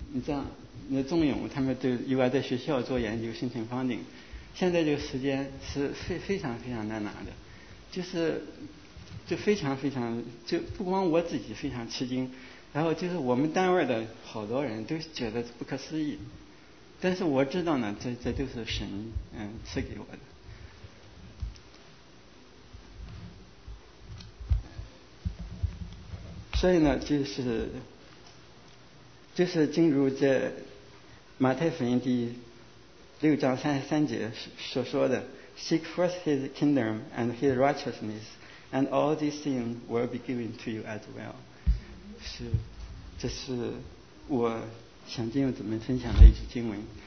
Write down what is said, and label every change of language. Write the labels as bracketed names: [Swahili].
[Chinese] 你知道那仲勇他们都又要在学校做研究申请 funding， 现在这个时间是非常难拿的，就是就非常非常，就不光我自己非常吃惊，然后就是我们单位的好多人都觉得不可思议，但是我知道呢这都是神赐给我的。所以呢就是进入这马太福音第6章33节所说的， [English] Seek first his kingdom and his righteousness, and all these things will be given to you as well. [Chinese] 是，这是我想跟你们分享的一句经文。